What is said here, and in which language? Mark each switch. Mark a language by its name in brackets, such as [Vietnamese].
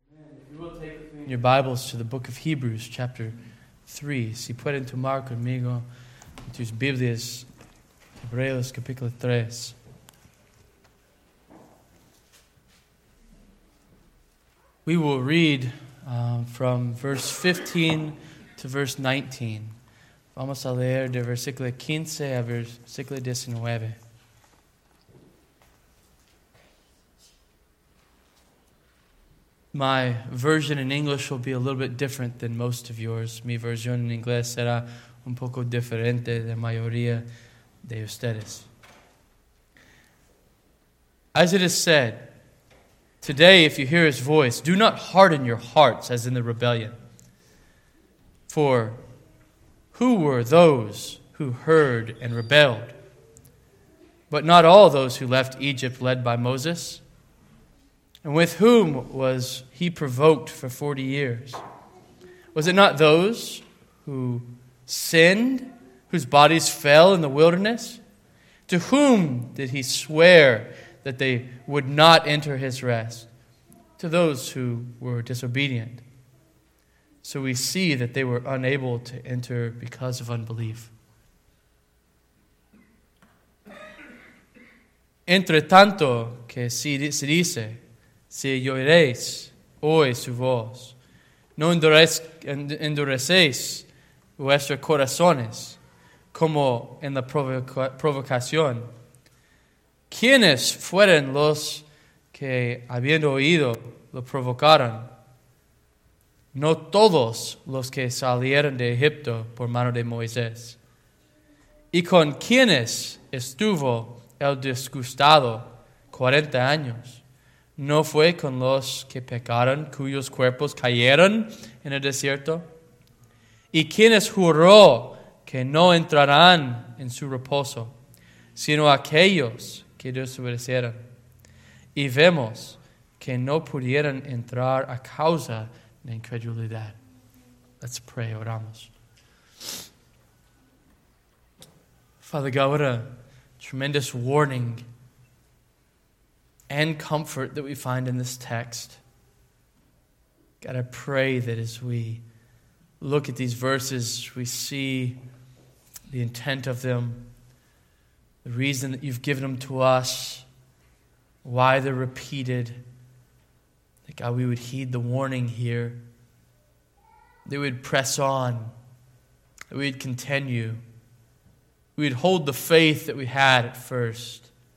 [English] in your Bibles to the book of Hebrews, chapter 3. [Spanish] Si pueden tomar conmigo en tus Biblias, Hebreos, capítulo 3. [English] We will read from verse 15 to verse 19. [Spanish] Vamos a leer de versículo 15 a versículo 19. [English] My version in English will be a little bit different than most of yours. [Spanish] Mi versión en inglés será un poco diferente de la mayoría de ustedes. [English] As it is said, today if you hear his voice, do not harden your hearts as in the rebellion. For who were those who heard and rebelled? But not all those who left Egypt led by Moses. And with whom was he provoked for 40 years? Was it not those who sinned, whose bodies fell in the wilderness? To whom did he swear that they would not enter his rest? To those who were disobedient. So we see that they were unable to enter because of unbelief. [Spanish] Entre tanto que se dice, si oiréis hoy su voz, no endurecéis vuestros corazones como en la provocación. ¿Quiénes fueron los que, habiendo oído, lo provocaron? No todos los que salieron de Egipto por mano de Moisés. ¿Y con quiénes estuvo el disgustado 40 años? ¿No fue con los que pecaron, cuyos cuerpos cayeron en el desierto? ¿Y quiénes juró que no entrarán en su reposo, sino aquellos que desobedecieron? Y vemos que no pudieron entrar a causa de incredulidad. [English] Let's pray, [Spanish] oramos. [English] Father God, what a tremendous warning and comfort that we find in this text. God, I pray that as we look at these verses, we see the intent of them, the reason that you've given them to us, why they're repeated, that God, we would heed the warning here, that we would press on, that we would continue, we would hold the faith that we had at first.